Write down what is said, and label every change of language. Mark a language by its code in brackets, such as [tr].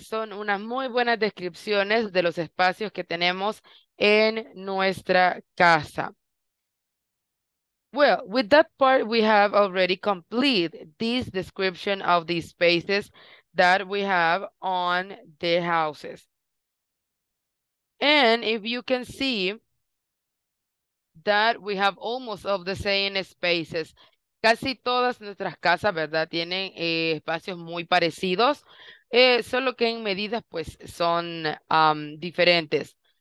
[es] Son unas muy buenas descripciones de los espacios que tenemos en nuestra casa. [en] Well, with that part, we have already completed this description of the spaces that we have on the houses. And if you can see that we have almost of the same spaces. [es] Casi todas nuestras casas, ¿verdad? Tienen espacios muy parecidos, solo que en medidas, pues, son diferentes.